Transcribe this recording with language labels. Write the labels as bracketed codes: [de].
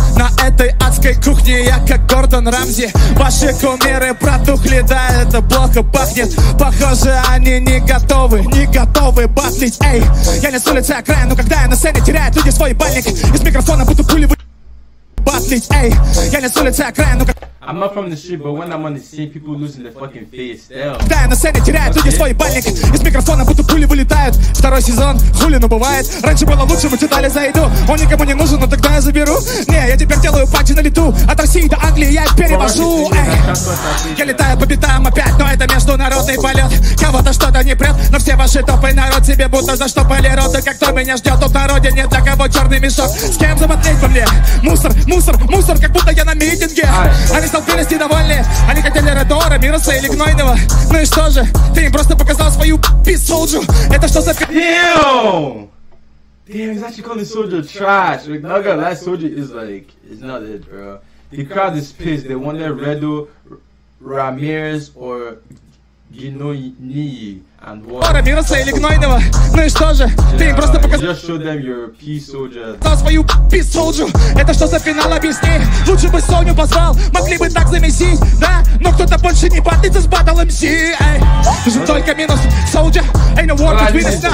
[ru] На этой адской кухне я как Гордон Рамзи. Ваши кумиры протухли, да это плохо пахнет. Похоже, они не готовы батлить, эй. Я не с улицы, а края, но когда я на сцене, теряют люди свой ебальник. Из микрофона будто пули вы... батлить, эй. Я не с улицы, а края, но когда... [en] I'm not from the street, but when I'm on the scene, people losing their fucking face, damn. [ru] Когда я на сцене теряю, люди свой ебальник. Из микрофона будто пули вылетают. Второй сезон, хули, но бывает. Раньше было лучше, в детали зайду. Он никому не нужен, но тогда я заберу. Не, я теперь делаю патчи на лету. От России до Англии я перевожу, эй. Я летаю по битам опять, но это международный полет. Кого-то что-то не прет, но все ваши топы народ себе будто заштопали рот. И как кто меня ждет, тут на родине для кого черный мешок. С кем заботлеть по мне? Мусор, как будто я на митинге. Столпились недовольные, они хотели Редора, Мироса или Гнойного. Ну и что же, ты им просто показал свою пи***ь солджу. Это что за пи***ь? [en] Damn, he's actually calling soldier trash. Like, not gonna lie, soldier is like, it's not it, bro. The crowd is pissed, they want their Redo, Ramirez or Gnoyni and what? [ru] Редора, Мироса или Гнойного. Ну и что же, ты им просто показал... [en] Just show them your peace soldier. [ru] ...свою peace soldier. Это что за финал, объясни? Лучше бы Соню позвал, могли бы так замесить, да? Но кто-то больше не батлится с Battle MC, эй. Тоже только минус, soldier. [en] Ain't no war between us now.